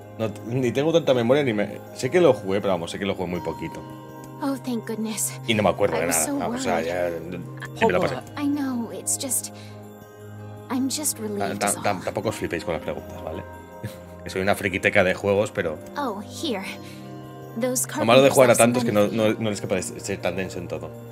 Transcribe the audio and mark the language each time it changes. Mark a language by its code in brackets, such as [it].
[es] No, ni tengo tanta memoria ni me sé que lo jugué, pero vamos, sé que lo jugué muy poquito. [en] Oh, thank goodness. [es] Y no me acuerdo de nada. Vamos, o sea, ya me la pasé. [en] I know, it's just I'm just relieved. [es] Tampoco os flipéis con las preguntas, ¿vale? Soy una friquiteca de juegos, pero [en] oh, here. [es] Lo malo de jugar a tantos que no eres capaz de ser tan denso en todo.